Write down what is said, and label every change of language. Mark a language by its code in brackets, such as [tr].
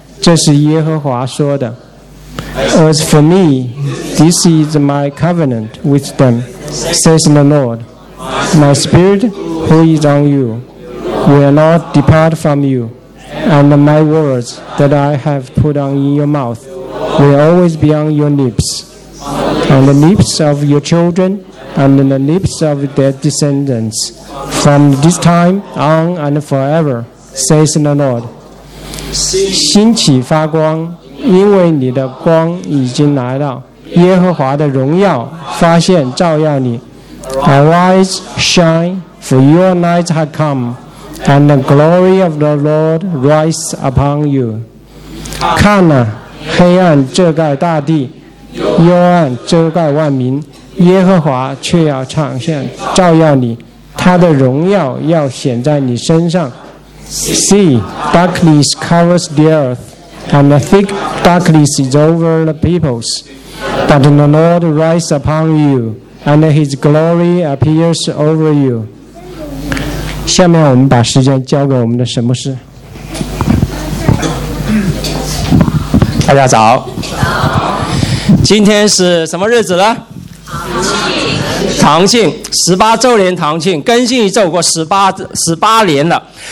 [zh] 这是耶和华说的。 [en] As for me, this is my covenant with them, says the Lord. My spirit who is on youWill not depart from you, and my words that I have put on in your mouth will always be on your lips, on the lips of your children, and on the lips of their descendants, from this time on and forever, says the Lord. [zh] 兴起发光，因为你的光已经来到，耶和华的荣耀发现照耀你。 [en] Arise, shine, for your light has come. And the glory of the Lord rise upon you. [zh] 看啊，黑暗遮盖大地，幽暗遮盖万民，耶和华却要彰显照耀你，他的荣耀要显在你身上。 [en] See, darkness covers the earth, and the thick darkness is over the peoples. But the Lord rise upon you, and his glory appears over you. [zh] 下面我们把时间交给我们的沈牧师。大家早。今天是什么日子呢？堂庆，十八周年堂庆，更新一周过十八年了。